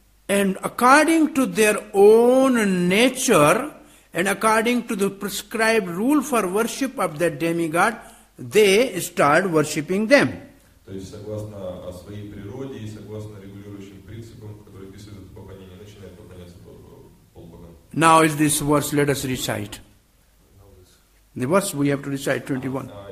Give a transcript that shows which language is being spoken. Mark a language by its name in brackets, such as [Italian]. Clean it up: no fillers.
[English] And according to their own nature and according to the prescribed rule for worship of that demigod, they start worshipping them. [Russian] То есть согласно о своей природе и согласно регулирующим принципам, которые описывают это поклонение, начинают поклоняться полубогам. [English] Now is this verse, let us recite. The verse we have to recite, 21.